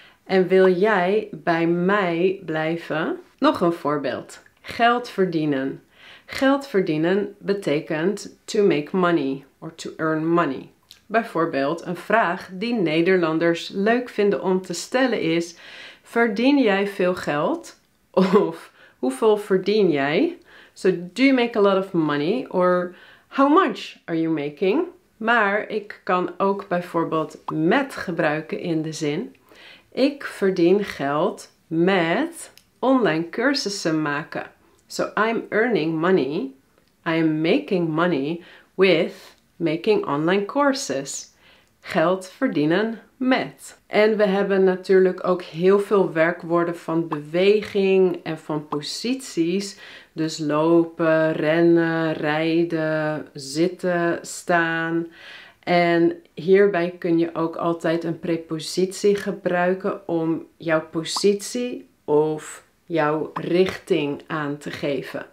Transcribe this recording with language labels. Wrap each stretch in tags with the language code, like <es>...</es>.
<nl>En wil jij bij mij blijven? Nog een voorbeeld. Geld verdienen. Geld verdienen betekent</nl> <en>to make money or to earn money.</en> <nl>Bijvoorbeeld een vraag die Nederlanders leuk vinden om te stellen is: verdien jij veel geld? Of hoeveel verdien jij?</nl> <en>So do you make a lot of money? Or how much are you making?</en> <nl>Maar ik kan ook bijvoorbeeld met gebruiken in de zin: ik verdien geld met online cursussen maken.</nl> <en>So I'm earning money, I'm making money with making online courses.</en> <nl>Geld verdienen met. En we hebben natuurlijk ook heel veel werkwoorden van beweging en van posities. Dus lopen, rennen, rijden, zitten, staan. En hierbij kun je ook altijd een prepositie gebruiken om jouw positie of jouw richting aan te geven.</nl>